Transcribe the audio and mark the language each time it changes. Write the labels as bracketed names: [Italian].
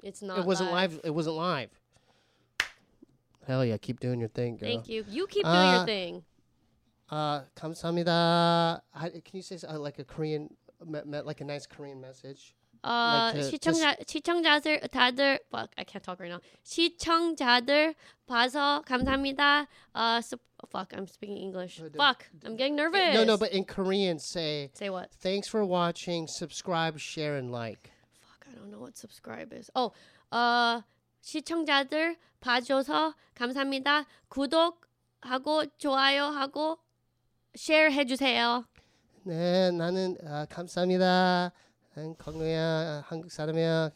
[English] it's not. It wasn't live. Hell yeah! Keep doing your thing, girl. Thank you. You keep doing your thing. [Korean] 감사합니다. [English] Can you say like a Korean, like a nice Korean message? [Korean] 시청자들 다들 [English] fuck, I can't talk right now. [Korean] 시청자들 봐서 감사합니다. [English] Fuck, I'm speaking English. I'm getting nervous. No, but in Korean, say. Say what? Thanks for watching. Subscribe, share, and like. Fuck, I don't know what subscribe is. [Korean] Oh, 시청자들 봐줘서 감사합니다. 구독하고 좋아요하고 share 해주세요. 네, 나는 감사합니다. 건강해야 한국 사람이야.